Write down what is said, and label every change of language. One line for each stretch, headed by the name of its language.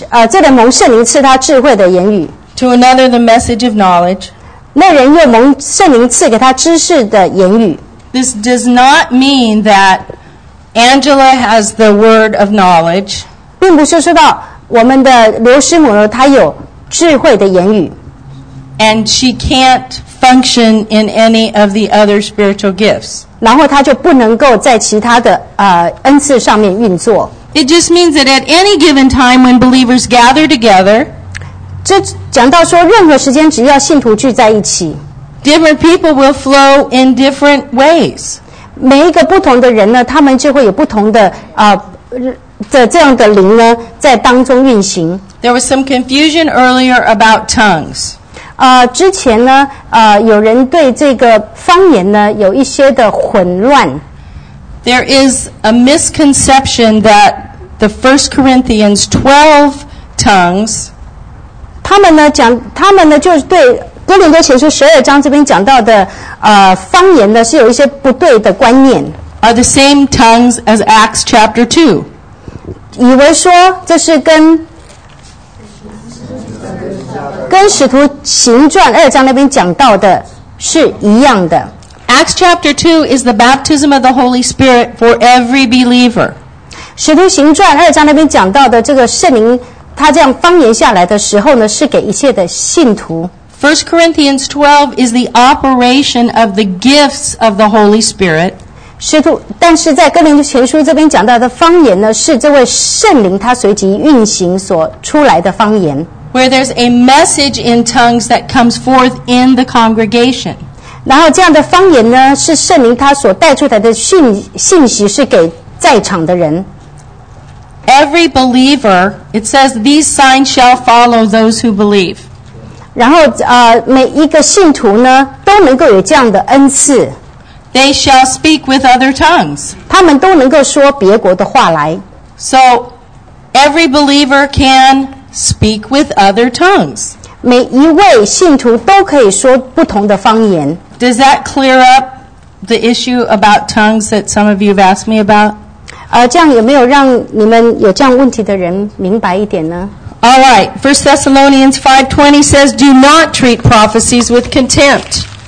Chinese: 这人蒙圣灵赐他智慧的言语。
English: To another, the message of knowledge.
Chinese: 那人又蒙圣灵赐给他知识的言语。
English: This does not mean that Angela has the word of knowledge.
Chinese: 并不是说到我们的刘师母她有智慧的言语。
English: And she can't function in any of the other spiritual gifts.
Chinese: 然后他就不能够在其他的恩赐上面运作。
English: It just means that at any given time when believers gather together,
Chinese: 这讲到说任何时间只要信徒聚在一起
English: ，different people will flow in different ways.
Chinese: 每一个不同的人呢，他们就会有不同的的这样的灵呢在当中运行。
English: There was some confusion earlier about tongues.
Chinese: 之前呢，有人对这个方言呢有一些的混乱。
English: There is a misconception that the 1 Corinthians 12 tongues.
Chinese: 他们呢就是对哥林多前书十二章这边讲到的方言呢是有一些不对的观念。
English: Are the same tongues as Acts chapter 2.
Chinese: 以为说这是跟使徒行传二章那边讲到的是一样的。
English: Acts chapter 2 is the baptism of the Holy Spirit for every believer.
Chinese: 使徒行传二章那边讲到的这个圣灵他这样方言下来的时候呢是给一切的信徒。
English: 1 Corinthians 12 is the operation of the gifts of the Holy Spirit.
Chinese: 使徒但是在哥林多前书这边讲到的方言呢是这位圣灵他随即运行所出来的方言。
English: Where there's a message in tongues that comes forth in the congregation.
Chinese: 然后这样的方言呢，是圣灵他所带出来的信息是给在场的人。
English: Every believer, it says, these signs shall follow those who believe.
Chinese: 然后每一个信徒呢，都能够有这样的恩赐。
English: They shall speak with other tongues.
Chinese: 他们都能够说别国的话来。
English: So, Every believer can speak with other tongues.
Chinese: 每一位信徒都可以说不同的方言。
English: Does that clear up the issue about tongues that some of you have asked me about?
Chinese: 这样有没有让你们有这样问题的人明白一点呢？
English: All right, 1 Thessalonians 5:20 says, "Do not treat prophecies with contempt."